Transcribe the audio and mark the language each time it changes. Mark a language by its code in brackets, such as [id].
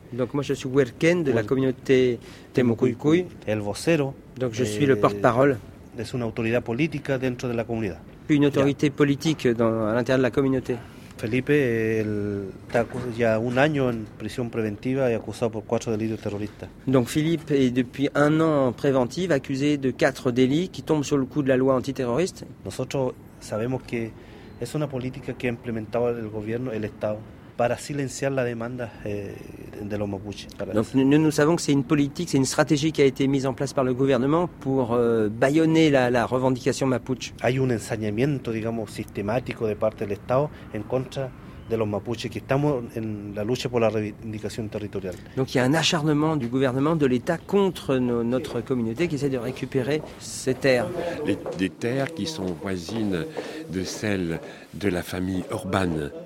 [fr] Donc, je suis le porte-parole. C'est une autorité politique dentro de la communauté. Une autorité politique à l'intérieur de la communauté. [es] Felipe está ya un año en prisión preventiva y acusado por 4 delitos terroristas. [fr] Donc Philippe est depuis un an en préventive accusé de 4 délits qui tombent sur le coup de la loi antiterroriste. [es] Nosotros sabemos que es una política que ha implementado el gobierno, el Estado, para silenciar la demanda de los mapuches. [fr] Donc nous savons que c'est une politique, c'est une stratégie qui a été mise en place par le gouvernement pour bâillonner la revendication mapuche. [es] Hay un ensañamiento, digamos, sistemático de parte del Estado en contra de los mapuches, que estamos en la lucha por la reivindicación territorial. [fr] Donc il y a un acharnement du gouvernement, de l'État, contre notre communauté qui essaie de récupérer ces terres. Des terres qui sont voisines de celles de la famille Urban.